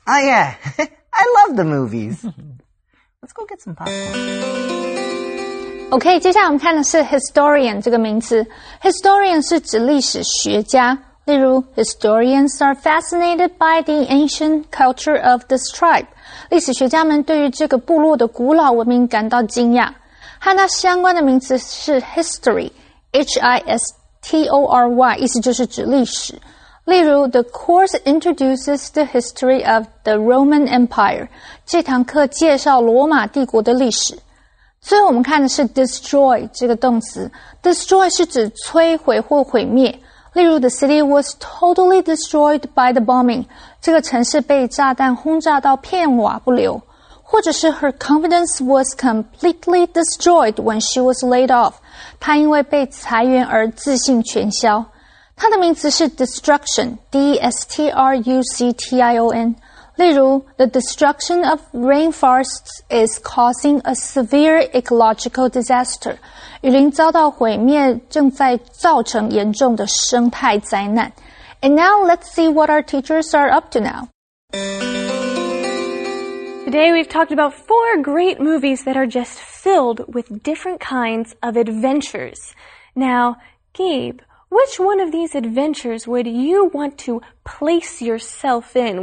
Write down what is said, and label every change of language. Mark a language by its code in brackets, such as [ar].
[en] Oh, yeah. I love the movies. Let's go get some popcorn. [zh] Okay, 接下来我们看的是 historian 这个名词。Historian 是指历史学家。例如 [en] ,historians are fascinated by the ancient culture of this tribe. [zh] 历史学家们对于这个部落的古老文明感到惊讶。和它相关的名词是 history, H-I-S-T-O-R-Y, 意思就是指历史。例如 [en] ,the course introduces the history of the Roman Empire, [zh] 这堂课介绍罗马帝国的历史。最后我们看的是 destroy 这个动词。destroy 是指摧毁或毁灭。例如 [en] ,the city was totally destroyed by the bombing, [zh] 这个城市被炸弹轰炸到片瓦不留。或者是 [en] her confidence was completely destroyed when she was laid off. [zh] 她因为被裁员而自信全消。她的名词是 destruction, D-S-T-R-U-C-T-I-O-N. 例如 [en] ,the destruction of rainforests is causing a severe ecological disaster. [zh] 雨林遭到毁灭正在造成严重的生态灾难。 [en] And now let's see what our teachers are up to now. Today we've talked about four great movies that are just filled with different kinds of adventures. Now, Gabe, which one of these adventures would you want to place yourself in?